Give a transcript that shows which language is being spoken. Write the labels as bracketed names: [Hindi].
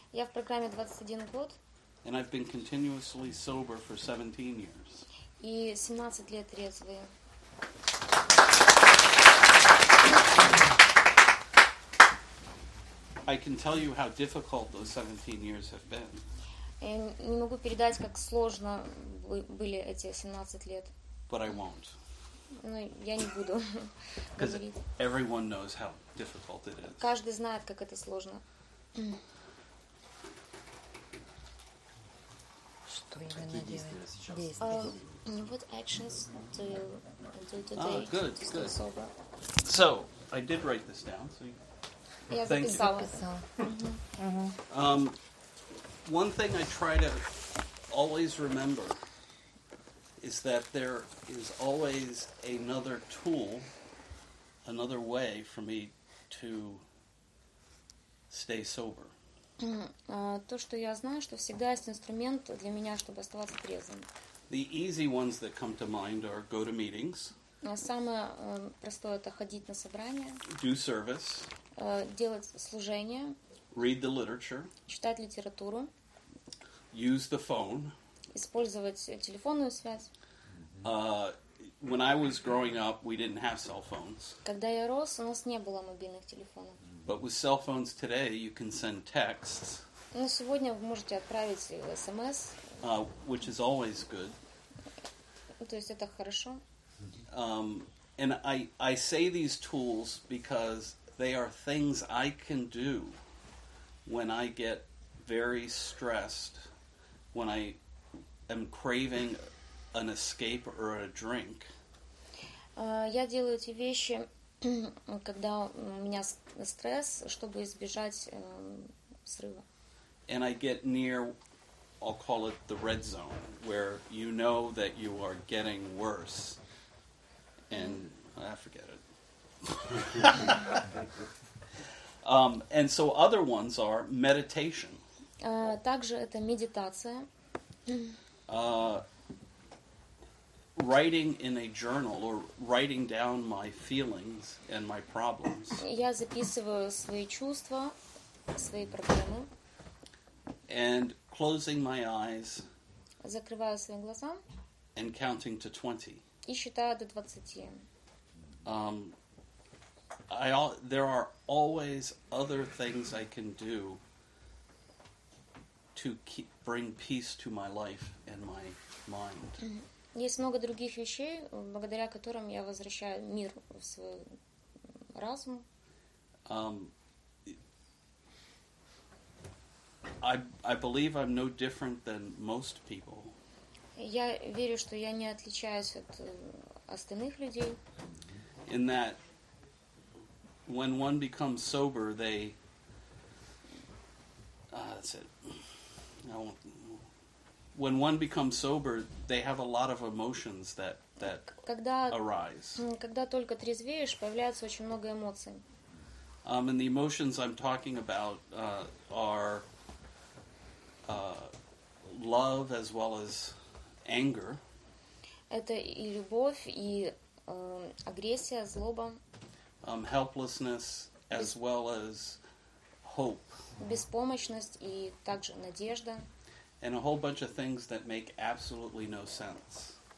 [Russian] Я в программе 21 год. [English] And I've been continuously sober for 17 years. [Russian] И 17 лет трезвый. [English] I can tell you how difficult those 17 years have been. [Russian] Я не могу передать, как сложно были эти 17 лет. [English] But I won't. [Russian] Ну, я не буду. [English] Because everyone knows how difficult it is. [Russian] Каждый знает, как это сложно. Что именно делать? [English] What actions do you do today? Oh, good, to good. Sober? So, I did write this down. So, yeah, thank you. Mm-hmm. One thing I try to always remember is that there is always another tool, another way for me to stay sober. [Russian] То, что я знаю, что всегда есть инструмент для меня, чтобы оставаться трезвым. [English] The easy ones that come to mind are go to meetings. [Russian] Самое простое — это ходить на собрания. [English] Do service. [Russian] Делать служение. [English] Read the literature. [Russian] Читать литературу. [English] Use the phone. [Russian] Использовать телефонную связь. [English] When I was growing up, we didn't have cell phones. [Russian] Когда я рос, у нас не было мобильных телефонов. [English] But with cell phones today, you can send texts. [Russian] Но сегодня вы можете отправить SMS. [English] Which is always good. [Russian] То есть это хорошо. [English] And I say these tools because they are things I can do when I get very stressed, when I am craving an escape or a drink. [Russian] Я делаю эти вещи, когда у меня стресс, чтобы избежать срыва. [English] And I get near, I'll call it the red zone, where you know that you are getting worse. And I forget it. And so other ones are meditation. [Russian] Также это медитация. [English] Writing in a journal or writing down my feelings and my problems. [Russian] Я записываю свои чувства, свои проблемы. [English] And closing my eyes. [Russian] Закрываю свои глаза. [English] And counting to 20. [Russian] И считаю до 20. [English] There are always other things I can do to keep bring peace to my life and my mind. [Russian] Есть много других вещей, благодаря которым я возвращаю мир в свой разум. [English] I believe I'm no different than most people. [Russian] Я верю, что я не отличаюсь от остальных людей. [English] In that, when one becomes sober, they... that's it. I won't... When one becomes sober, they have a lot of emotions that [Russian] когда, [English] arise. [Russian] Когда только трезвеешь, появляется очень много эмоций. [English] And the emotions I'm talking about are love as well as anger. [Russian] Это и любовь, и агрессия, злоба. [English] Helplessness as well as hope. [Russian] Беспомощность и также надежда. [English] And a whole bunch of things that make absolutely no sense.